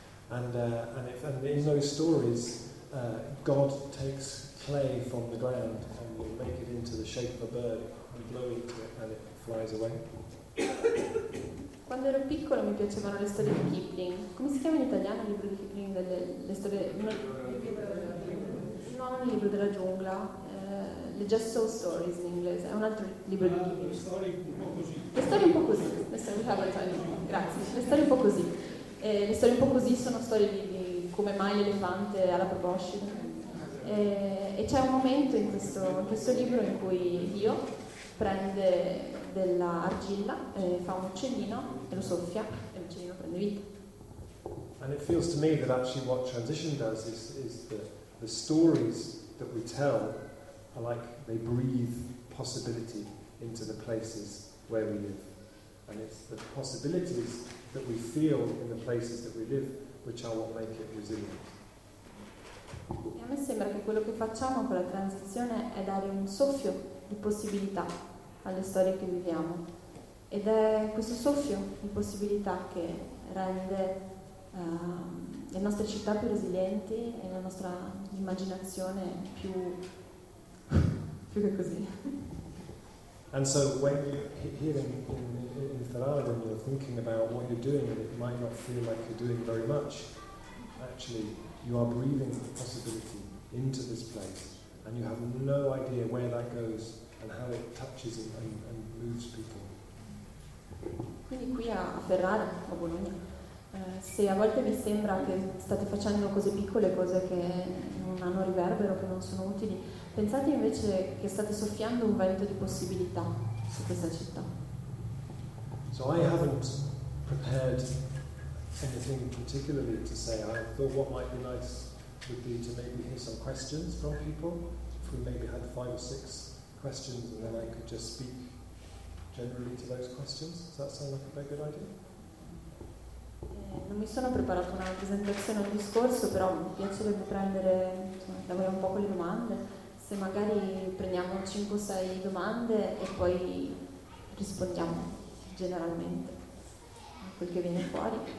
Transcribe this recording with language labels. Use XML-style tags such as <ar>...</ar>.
<en>And in those stories, God takes clay from the ground and will make it into the shape of a bird and blow into it and it flies away.</en> <it>Quando ero piccolo mi piacevano le storie di Kipling. Come si chiama in italiano il libro di Kipling? Le storie. Non il libro della giungla. Le Just So Stories in inglese, è un altro libro di Kipling. Le storie un po' così. Le storie un po' così. Grazie. Le storie un po' così. Le storie un po' così sono storie di come mai l'elefante ha la proboscide. E c'è un momento in questo libro in cui Dio prende della argilla, fa un uccellino e lo soffia e l'uccellino prende vita.</it> <en>And it feels to me that actually what transition does is the stories that we tell are like they breathe possibility into the places where we live. And it's the possibilities that we feel in the places that we live which are what make it resilient.</en> <it>E a me sembra che quello che facciamo con la transizione è dare un soffio di possibilità alle storie che viviamo. Ed è questo soffio di possibilità che rende le nostre città più resilienti e la nostra immaginazione più.</it> <en>And so when you're here in Ferrara, when you're thinking about what you're doing, and it might not feel like you're doing very much, actually you are breathing the possibility into this place, and you have no idea where that goes and how it touches and moves people.</en> <it>Quindi qui a Ferrara, a Bologna, se a volte vi sembra che state facendo cose piccole, cose che non hanno riverbero, che non sono utili, pensate invece che state soffiando un vento di possibilità su questa città.</it> <en>So I haven't prepared anything particularly to say. I thought what might be nice would be to maybe hear some questions from people, if we maybe had 5 or 6 questions and then I could just speak generally to those questions. Does that sound like a very good idea?</en> <it>Non mi sono preparato una presentazione o un discorso, però mi piacerebbe prendere, lavorare un po' con le domande. Se magari prendiamo 5 o 6 domande e poi rispondiamo generalmente a quel che viene fuori.</it>